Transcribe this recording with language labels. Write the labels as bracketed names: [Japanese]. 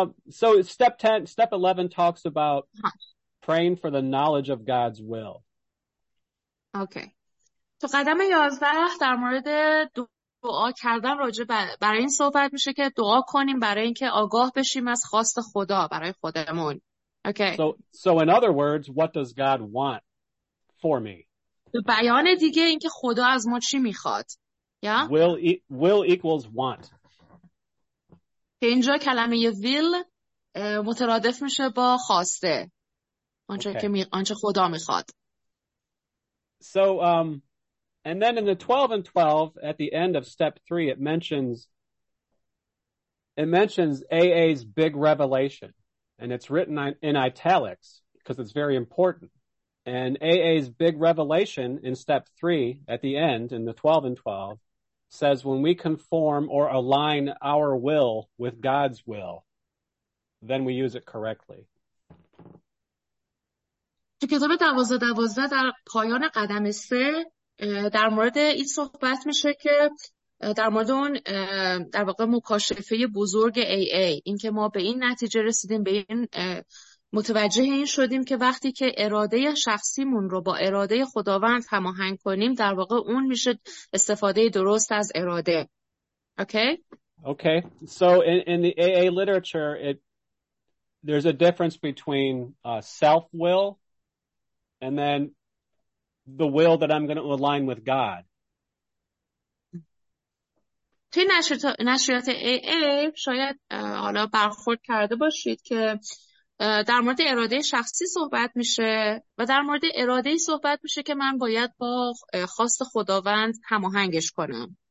[English] So step 10, step 11 talks about praying for the knowledge of God's will. Okay. [Persian] تو قدم 11 در مورد دعا کردن راجع برای این صحبت میشه که دعا کنیم برای اینکه آگاه بشیم از خواست خدا برای خودمون. [English] Okay. So in other words, what does God want for me? [Persian] به بیان دیگه اینکه خدا از ما چی میخواد. [English] Yeah? Will equals want. [Persian] اینجا کلمه will مترادف میشه با خواسته. آنچه خدا میخواد. [English] So, and then in the 12 and 12, at the end of step 3, it mentions AA's big revelation. And it's written in italics, because it's very important. And AA's big revelation in step 3 at the end in the 12 and 12 says when we conform or align our will with God's will, then we use it correctly. [Persian] تو کتاب 12-12 در پایان قدم 3 در مورد این صحبت میشه که در مورد اون در واقع مکاشفه بزرگ AA این که ما به این نتیجه رسیدیم به این متوجه این شدیم که وقتی که اراده شخصیمون رو با اراده خداوند هماهنگ کنیم در واقع اون میشه استفاده درست از اراده. [English] Okay? Okay. So in the AA literature there's a difference between self-will and then the will that I'm going to align with God. [Persian] توی نشریات AA شاید حالا برخورد کرده باشید که در مورد اراده شخصی صحبت میشه و در مورد اراده صحبت میشه که من باید با خواست خداوند هماهنگش کنم.